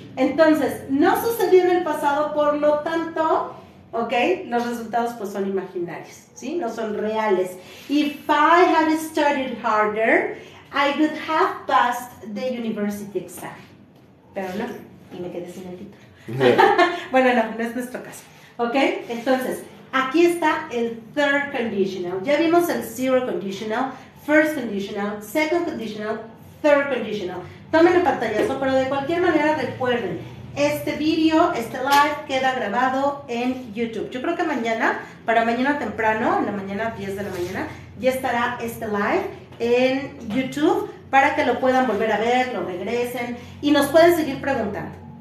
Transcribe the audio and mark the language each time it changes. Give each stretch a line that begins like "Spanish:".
Spanish: Entonces, no sucedió en el pasado, por lo tanto, ¿ok? Los resultados pues son imaginarios, ¿sí? No son reales.
English: If I had studied harder, I would have passed the university exam.
Spanish: Pero no, y me quedé sin el título. Bueno, no es nuestro caso. ¿Ok? Entonces, aquí está el third conditional. Ya vimos el zero conditional, first conditional, second conditional, third conditional. Tomen el pantallazo, pero de cualquier manera recuerden, este video, este live, queda grabado en YouTube. Yo creo que mañana, para mañana temprano, en la mañana, 10 de la mañana, ya estará este live en YouTube para que lo puedan volver a ver, lo regresen y nos pueden seguir preguntando.